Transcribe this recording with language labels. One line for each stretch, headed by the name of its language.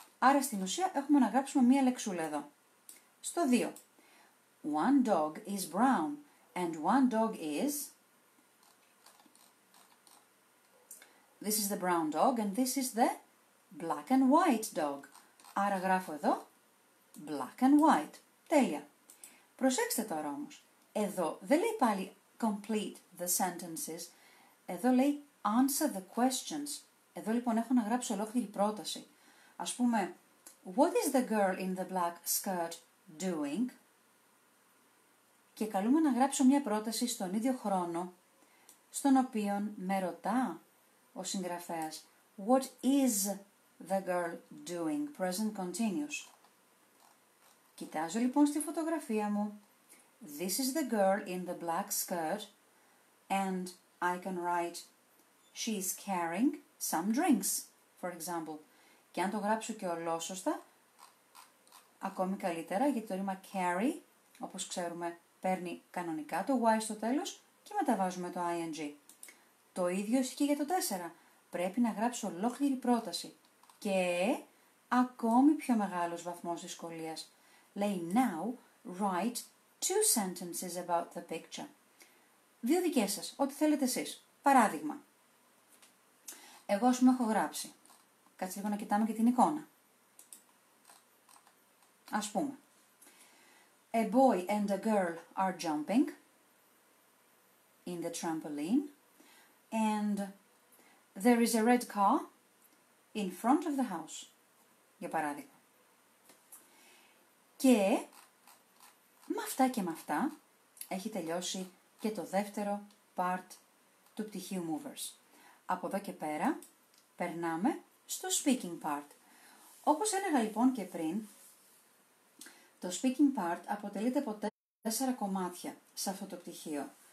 Greek: Άρα στην ουσία έχουμε να γράψουμε μία λεξούλα εδώ. Στο 2.
English: One dog is brown and one dog is... This is the brown dog and this is the black and white dog.
Greek: Άρα γράφω εδώ
English: black and white.
Greek: Τέλεια. Προσέξτε τώρα όμως. Εδώ δεν λέει πάλι
English: complete the sentences.
Greek: Εδώ λέει
English: answer the questions.
Greek: Εδώ λοιπόν έχω να γράψω ολόκληρη πρόταση. Ας πούμε,
English: what is the girl in the black skirt doing?
Greek: Και καλούμε να γράψω μια πρόταση στον ίδιο χρόνο, στον οποίο με ρωτά ο συγγραφέας,
English: what is the girl doing, present continuous.
Greek: Κοιτάζω λοιπόν στη φωτογραφία μου,
English: this is the girl in the black skirt, and I can write, she is carrying some drinks, for example.
Greek: Και αν το γράψω και ολόσωστα, ακόμη καλύτερα, γιατί το ρήμα carry, όπως ξέρουμε, παίρνει κανονικά το y στο τέλος και μεταβάζουμε το ing. Το ίδιο ισχύει για το 4. Πρέπει να γράψω ολόκληρη πρόταση. Και ακόμη πιο μεγάλος βαθμός δυσκολίας.
English: Λέει, now write two sentences about the picture.
Greek: Δύο δικές σας, ό,τι θέλετε εσείς. Παράδειγμα. Εγώ, ας πούμε, έχω γράψει. Κάτσε λίγο να κοιτάμε και την εικόνα. Ας πούμε.
English: A boy and a girl are jumping in the trampoline. And there is a red car in front of the house,
Greek: για παράδειγμα. Και με αυτά και με αυτά έχει τελειώσει και το δεύτερο part του πτυχίου Movers. Από εδώ και πέρα περνάμε στο speaking part. Όπως έλεγα λοιπόν και πριν, το speaking part αποτελείται από 4 κομμάτια σε αυτό το πτυχίο.